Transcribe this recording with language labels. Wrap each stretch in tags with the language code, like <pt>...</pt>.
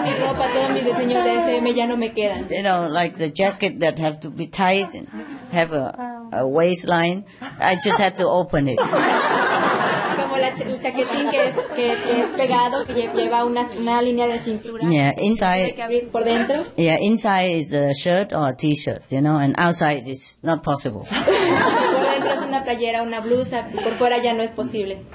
<en>You know, like the jacket that have to be tied and have a waistline, I just had to open it.</en> <es>Como la el chaquetín que es pegado, que lleva una línea de cintura.</es> <en>Yeah, inside.</en> <es>Que abrir por dentro.</es> <en>Yeah, inside is a shirt or a t-shirt, you know, and outside is not possible.</en> <es>Por dentro es una playera, una blusa, por fuera ya no es posible.</es>